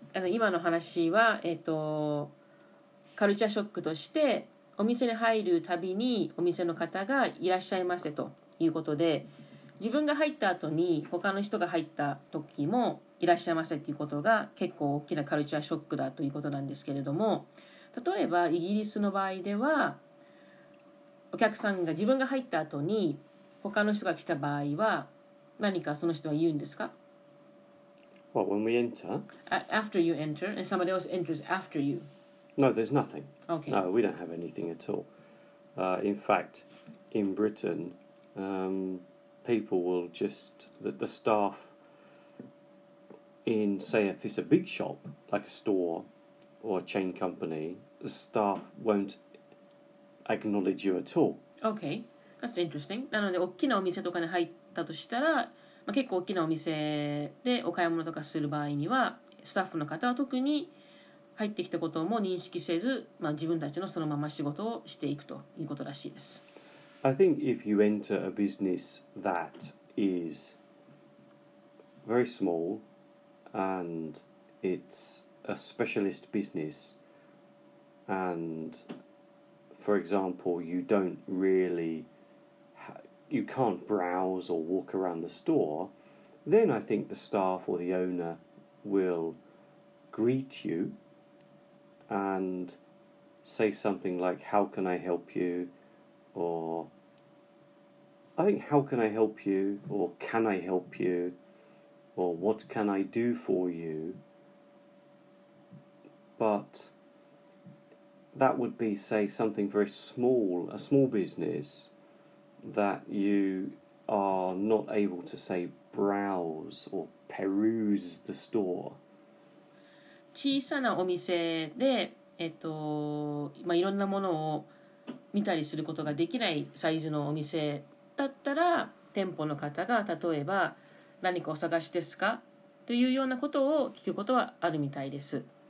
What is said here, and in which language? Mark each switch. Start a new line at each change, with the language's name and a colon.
Japanese: 今の話は、カルチャーショックとして、お店に入るたびにお店の方がいらっしゃいませということで、自分が入った後に他の人が入った時もいらっしゃいませということが結構大きなカルチャーショックだということなんですけれども、例えばイギリスの場合では、お客さんが自分が入った後に他の人が来た場合は、何かその人は言うんですか?
English: What, when we enter? After you enter, and somebody else enters after you. No, there's nothing. Okay. No, we don't have anything at all. In fact, in Britain, people will just, the staff in, say, if it's a big shop, like a store or a chain company, the staff won't acknowledge you at all. Okay, that's interesting.
Japanese: なので、大きなお店とかに入ったとしたら、まあ、結構大きなお店でお買い物とかする場合には、スタッフの方は特に入ってきたことも認識せず、まあ、自分たちのそのまま仕事をしていくということらしいです。
English: I think if you enter a business that is very small and it's a specialist business and, for example, you don't really, you can't browse or walk around the store, then I think the staff or the owner will greet you and say something like, how can I help you? Or I think, how can I help you, or can I help you, or what can I do for you, but that would be, say, something very small, a small business that you are not able to, say, browse or peruse the store.
Japanese: 小さなお店で、まあ、いろんなものを見たりすることができないサイズのお店だったら、店舗の方が例えば何かお探しですかというようなことを聞くことはあるみたいです。